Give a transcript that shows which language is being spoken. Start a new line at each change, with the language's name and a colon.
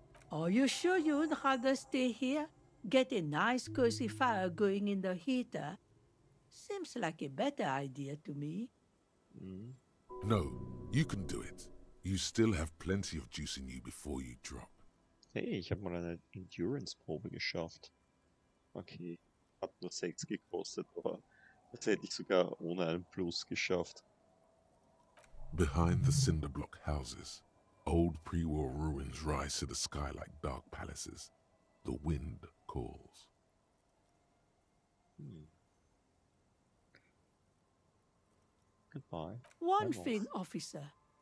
English: Are you sure you'd rather stay here? Get a nice cozy fire going in the heater? Seems like a better idea to me. No, you can do it. You still have plenty of juice in you before you drop.
German: Hey, ich hab mal eine Endurance-Probe geschafft. Okay, hat nur 6 gekostet, aber das hätte ich sogar ohne einen Plus geschafft.
English: Behind the cinderblock houses, old pre-war ruins rise to the sky like dark palaces. The wind calls. Goodbye. One thing, officer.